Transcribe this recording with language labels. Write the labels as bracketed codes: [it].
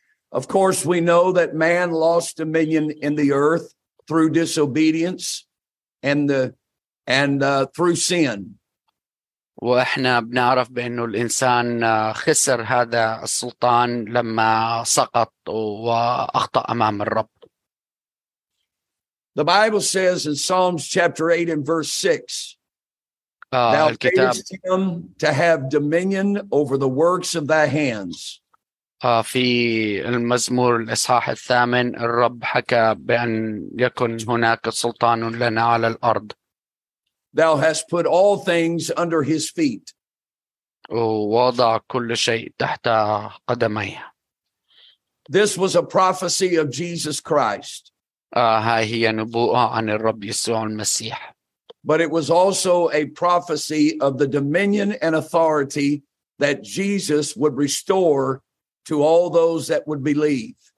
[en] Of course, we know that man lost dominion in the earth through disobedience and through sin. [ar] وإحنا بنعرف بأنه الإنسان خسر هذا السلطان لما سقط وأخطأ أمام الرب. [en] The Bible says in Psalms chapter 8 and verse 6, Thou gavest him to have dominion over the works of thy hands. [ar] في المزمور الإصحاح الثامن الرب حكى بأن يكون هناك سلطان لنا على الأرض. [en] Thou hast put all things under his feet. [ar] ووضع كل شيء تحت قدميه. [en] This was a prophecy of Jesus Christ. [ar] هاي هي نبوءة عن الرب يسوع المسيح. [en] But it was also a prophecy of the dominion and authority that Jesus would restore to all those that would believe.